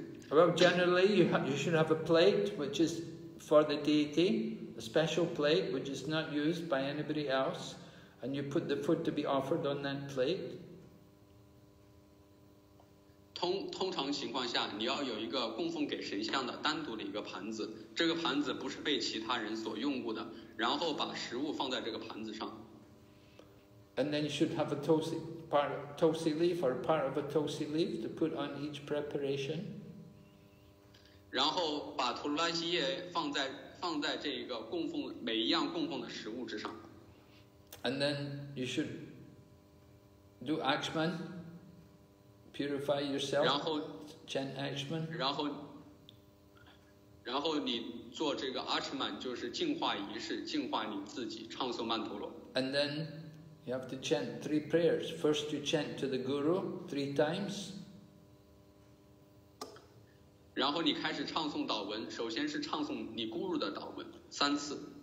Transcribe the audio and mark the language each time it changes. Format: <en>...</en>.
<en>Well, generally, you should have a plate, which is... for the deity, a special plate which is not used by anybody else, and you put the food to be offered on that plate.</en> <zh>通常情况下，你要有一个供奉给神像的单独的一个盘子，这个盘子不是被其他人所用过的，然后把食物放在这个盘子上。</zh> <en>And then you should have a tosi leaf or part of a tosi leaf to put on each preparation.</en> <zh>然后把图罗拉西叶放在这个供奉每一样供奉的食物之上。</zh> <en>And then you should do Akshman, purify yourself.</en> <zh>然后</zh> <en>chant Akshman.</en> <zh>然后你做这个 Akshman 就是净化仪式，净化你自己，唱诵曼陀罗。</zh> <en>And then you have to chant three prayers. First, you chant to the Guru three times.</en> <zh>然后你开始唱诵祷文，首先是唱诵你咕噜的祷文三次</zh>